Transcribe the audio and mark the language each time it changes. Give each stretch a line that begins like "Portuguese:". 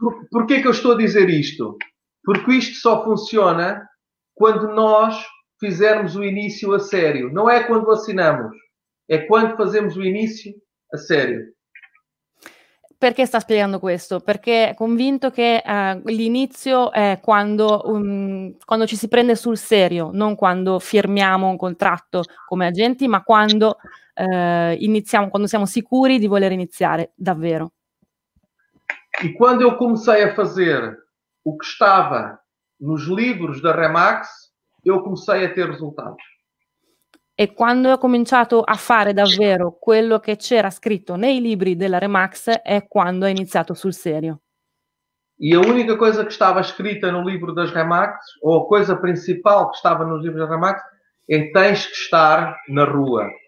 Portuguese: Porquê que eu estou a dizer isto? Porque isto só funciona quando nós fizermos o início a sério. Não é quando assinamos, é quando fazemos o início a sério.
Italian: Perché sta spiegando questo? Perché è convinto che l'inizio è quando, quando ci si prende sul serio, non quando firmiamo un contratto come agenti, ma quando iniziamo, quando siamo sicuri di voler iniziare davvero.
Portuguese: E quando eu comecei a fazer o que estava nos livros da Remax, eu comecei a ter risultati.
Italian: E quando ho cominciato a fare davvero quello che c'era scritto nei libri della Remax è quando ho iniziato sul serio.
Portuguese: E a única coisa
Italian: che stava scritta
Portuguese: no
Italian: libro
Portuguese: das Remax, ou a coisa principal
Italian: che stava
Portuguese: nos livros da Remax,
Italian: è
Portuguese: tens que estar na rua.